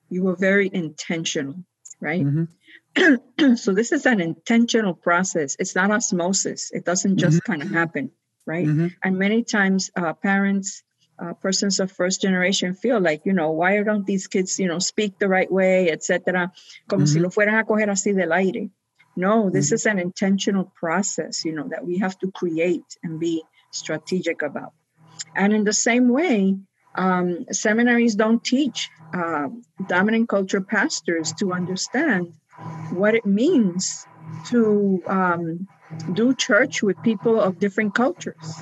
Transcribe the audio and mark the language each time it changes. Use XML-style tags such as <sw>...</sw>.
<en>You were very intentional, right? Mm-hmm. So this is an intentional process. It's not osmosis. It doesn't just mm-hmm. kind of happen, right? Mm-hmm. And many times parents, persons of first generation feel like, you know, why don't these kids, you know, speak the right way, et cetera?</en> <es>Como mm-hmm. si lo fueran a coger así del aire.</es> <en>No, this mm-hmm. is an intentional process, you know, that we have to create and be strategic about. And in the same way, seminaries don't teach dominant culture pastors to understand what it means to do church with people of different cultures.</en>